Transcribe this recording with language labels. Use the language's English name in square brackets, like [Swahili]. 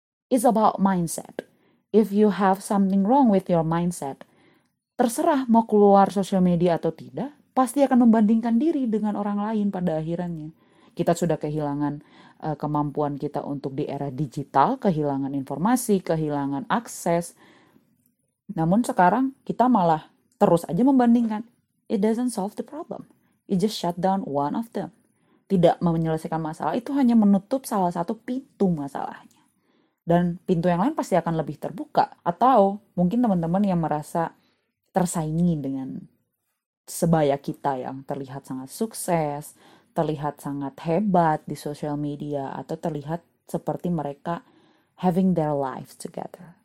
[English] It's about mindset. If you have something wrong with your mindset, [Indonesian] terserah mau keluar sosial media atau tidak, pasti akan membandingkan diri dengan orang lain pada akhirnya. Kita sudah kehilangan kemampuan kita untuk di era digital, kehilangan informasi, kehilangan akses. Namun sekarang kita malah terus aja membandingkan. [English] It doesn't solve the problem. It just shut down one of them. [Indonesian] Tidak menyelesaikan masalah, itu hanya menutup salah satu pintu masalahnya. Dan pintu yang lain pasti akan lebih terbuka. Atau mungkin teman-teman yang merasa tersaingi dengan sebaya kita yang terlihat sangat sukses, terlihat sangat hebat di social media, atau terlihat seperti mereka [English] having their life together.